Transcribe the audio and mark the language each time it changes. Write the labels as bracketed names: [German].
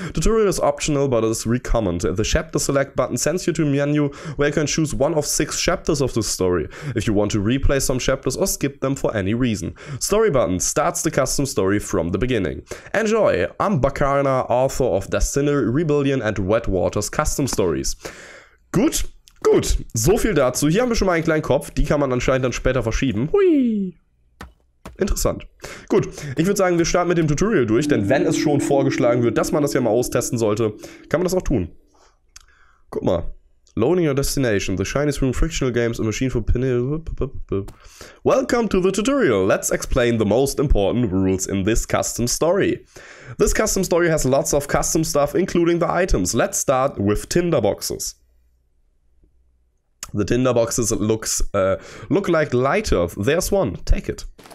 [English] Tutorial is optional but is recommended. The chapter select button sends you to a menu where you can choose 1 of 6 chapters of the story if you want to replay some chapters or skip them for any reason. Story button starts the custom story from the beginning. Enjoy! I'm Bakarna, author of Destiny Rebellion and Wet Waters Custom Stories. [German] Gut? Gut, so viel dazu. Hier haben wir schon mal einen kleinen Kopf. Die kann man anscheinend dann später verschieben. Hui. Interessant. Gut, ich würde sagen, wir starten mit dem Tutorial durch. Denn wenn es schon vorgeschlagen wird, dass man das ja mal austesten sollte, kann man das auch tun. Guck mal. [English] Loading your destination. The shiniest room, frictional games, a machine for pinning. Welcome to the tutorial. Let's explain the most important rules in this custom story. This custom story has lots of custom stuff, including the items. Let's start with tinderboxes. The tinderboxes look like lighter. There's one. Take it.